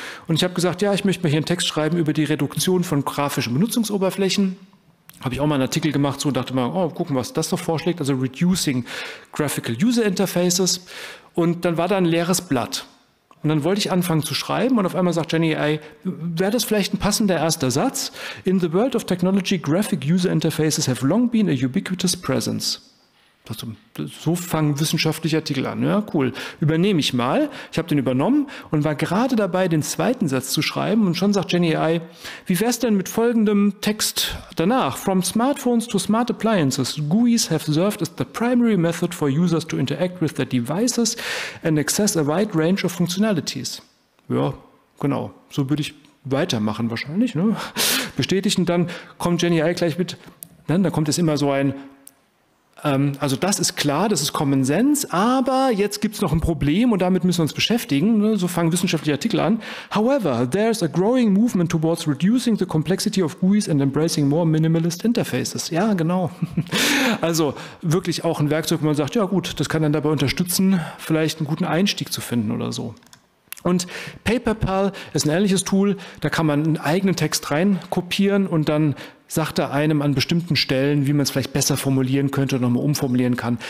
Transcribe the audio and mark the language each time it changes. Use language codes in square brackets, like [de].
[de] Und ich habe gesagt, ja, ich möchte mir hier einen Text schreiben über die Reduktion von grafischen Benutzungsoberflächen. Habe ich auch mal einen Artikel gemacht so und dachte mal, oh, gucken, was das noch vorschlägt. Also Reducing Graphical User Interfaces. Und dann war da ein leeres Blatt. Und dann wollte ich anfangen zu schreiben und auf einmal sagt GenAI, wäre das vielleicht ein passender erster Satz? [en] In the world of technology, graphic user interfaces have long been a ubiquitous presence. [de] So fangen wissenschaftliche Artikel an. Ja, cool. Übernehme ich mal. Ich habe den übernommen und war gerade dabei, den zweiten Satz zu schreiben. Und schon sagt GenAI, wie wäre es denn mit folgendem Text danach? [en] From smartphones to smart appliances, GUIs have served as the primary method for users to interact with their devices and access a wide range of functionalities. [de] Ja, genau. So würde ich weitermachen wahrscheinlich. Ne? Bestätigt. Und dann kommt GenAI gleich mit. Dann kommt es immer so ein, also das ist klar, das ist Common Sense, aber jetzt gibt es noch ein Problem und damit müssen wir uns beschäftigen. So fangen wissenschaftliche Artikel an. [en] However, there is a growing movement towards reducing the complexity of GUIs and embracing more minimalist interfaces. [de] Ja, genau. Also wirklich auch ein Werkzeug, wo man sagt, ja gut, das kann dann dabei unterstützen, vielleicht einen guten Einstieg zu finden oder so. Und PaperPal ist ein ähnliches Tool, da kann man einen eigenen Text rein kopieren und dann sagt er einem an bestimmten Stellen, wie man es vielleicht besser formulieren könnte oder nochmal umformulieren kann.